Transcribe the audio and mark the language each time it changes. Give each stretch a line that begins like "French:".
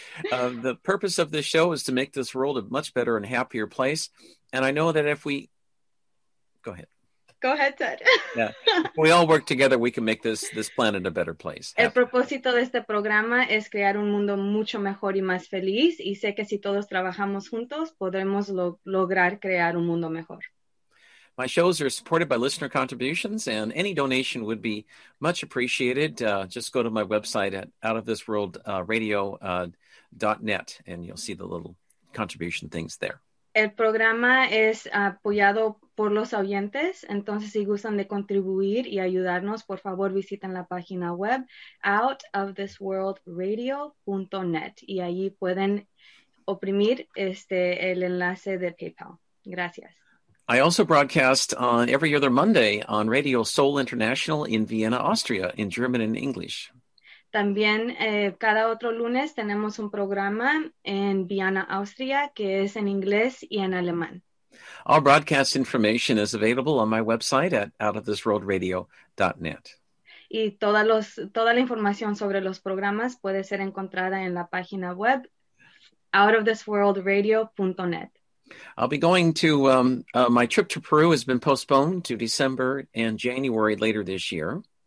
English: the purpose of this show is to make this world a much better and happier place. And I know that if we... Go ahead, Ted. Yeah. If we all work together, we can make this planet a better place.
Spanish: El propósito de este programa es crear un mundo mucho mejor y más feliz. Y sé que si todos trabajamos juntos, podremos lograr crear un mundo mejor.
English: My shows are supported by listener contributions, and any donation would be much appreciated. Just go to my website at outofthisworldradio.net, and you'll see the little contribution things there.
Spanish: El programa es apoyado por los oyentes, entonces si gustan de contribuir y ayudarnos, por favor visiten la página web outofthisworldradio.net, y allí pueden oprimir el enlace de PayPal. Gracias.
English: I also broadcast on every other Monday on Radio Soul International in Vienna, Austria, in German and English.
Spanish: También cada otro lunes tenemos un programa en Vienna, Austria, que es en inglés y en alemán.
English: All broadcast information is available on my website at outofthisworldradio.net.
Spanish: Y toda la información sobre los programas puede ser encontrada en la página web outofthisworldradio.net.
English: I'll be going to, my trip to Peru has been postponed to December and January later this year.